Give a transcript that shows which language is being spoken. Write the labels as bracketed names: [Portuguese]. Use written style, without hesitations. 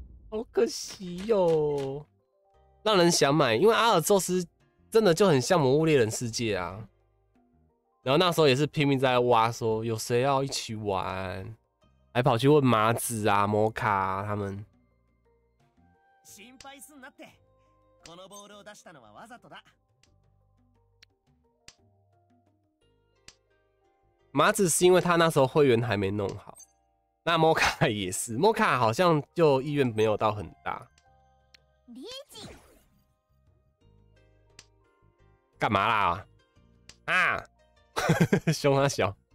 [Chinese] 好可惜哟，让人想买，因为阿尔宙斯真的就很像魔物猎人世界啊。然后那时候也是拼命在挖，说有谁要一起玩，还跑去问麻子啊、摩卡啊他们。 [Japanese] 心配すんなって。このボールを出したのはわざとだ。 [Chinese] 麻子是因为他那时候会员还没弄好。那摩卡也是，摩卡好像就意愿没有到很大。干嘛啦？啊！凶他小。